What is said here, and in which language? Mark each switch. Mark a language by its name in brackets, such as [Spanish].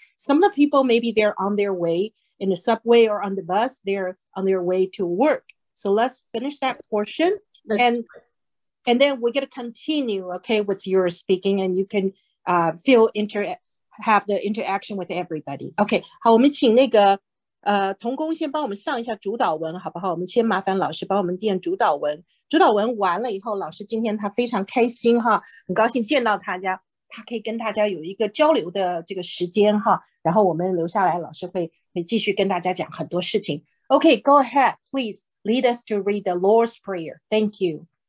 [English] Some of the people, maybe they're on their way in the subway or on the bus. They're on their way to work. So let's finish that portion. And then we're going to continue, okay, with your speaking and you can have the interaction with everybody. [Chinese] Okay, 好，我们请那个童工先帮我们上一下主导文好不好，我们先麻烦老师帮我们念主导文，主导文完了以后，老师今天他非常开心哈，很高兴见到大家，他可以跟大家有一个交流的这个时间哈，然后我们留下来，老师会继续跟大家讲很多事情。 [English] OK, go ahead, please lead us to read the Lord's Prayer. Thank you.